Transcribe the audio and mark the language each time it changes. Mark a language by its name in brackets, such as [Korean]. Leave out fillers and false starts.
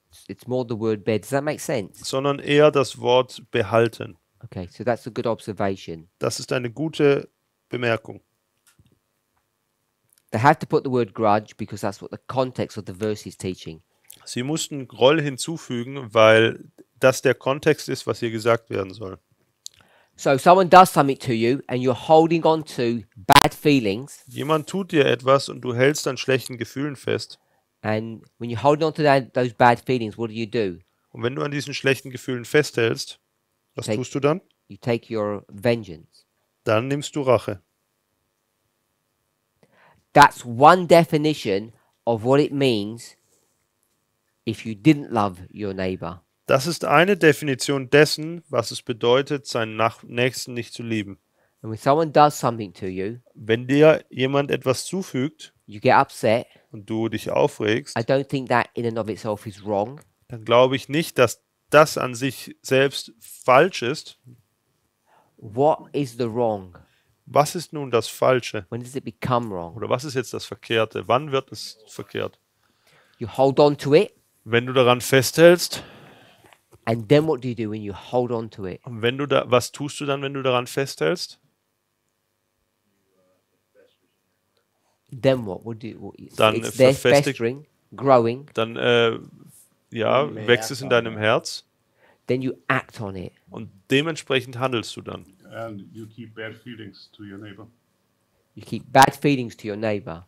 [English] It's more the word bear. Does that make sense? [German] Sondern eher das Wort behalten. [English] Okay, so that's a good observation. [German] Das ist eine gute Bemerkung. [English] They have to put the word grudge because that's what the context of the verse is teaching. [German] Sie mussten Groll hinzufügen, weil das der Kontext ist, was hier gesagt werden soll. [English] So someone does something to you and you're holding on to bad feelings. [German] Jemand tut dir etwas und du hältst an schlechten Gefühlen fest. [English] And when you hold on to those bad feelings, what do? [German] Und wenn du an diesen schlechten Gefühlen festhältst, was tust du dann? [English] You take your vengeance. [German] Dann nimmst du Rache. [English] That's one definition of what it means if you didn't love your neighbor. [German] Das ist eine Definition dessen, was es bedeutet, seinen Nächsten nicht zu lieben. [English] And when someone does something to you, [German] wenn dir jemand etwas zufügt, [English] you get upset, [German] und du dich aufregst, [English] I don't think that in and of itself is wrong. [German] Dann glaube ich nicht, dass das an sich selbst falsch ist. [English] What is the wrong? [German] Was ist nun das Falsche? [English] When does it become wrong? [German] Oder was ist jetzt das Verkehrte? Wann wird es verkehrt? [English] You hold on to it. [German] Wenn du daran festhältst. [English] And then what do you do when you hold on to it? [German] Und wenn du da, was tust du dann, wenn du daran festhältst? [English] Then what do you, [German] dann [English] festering, growing. [German] Dann wächst es in deinem Herz. [English] then you act on it. [German] Und dementsprechend handelst du dann. [English] And you keep bad feelings to your neighbor. You keep bad feelings to your neighbor.